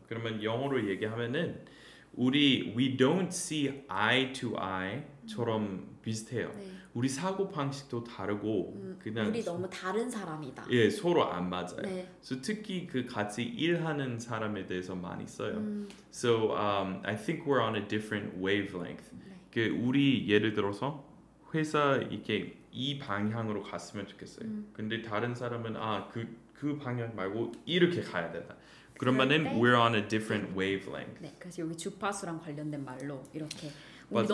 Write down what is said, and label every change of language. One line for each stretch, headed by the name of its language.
Korean: 그러면 영어로 얘기하면은 우리
English: we don't see eye to eye
Korean: 처럼 비슷해요. 네. 우리 사고 방식도 다르고 그냥 우리 너무 다른 사람이다. 예, 서로 안 맞아요. 네. So 특히 그 같이 일하는 사람에 대해서 많이 써요.
English: So I think we're on a different wavelength.
Korean: 네. 그 우리 예를 들어서 회사 이렇게 이 방향으로 갔으면 좋겠어요. 근데 다른 사람은 아 그 방향 말고 이렇게 가야 된다. 그러면은
English: we're on a different wavelength.
Korean: 네, 그래서 여기 주파수랑 관련된 말로 이렇게 우리 맞아.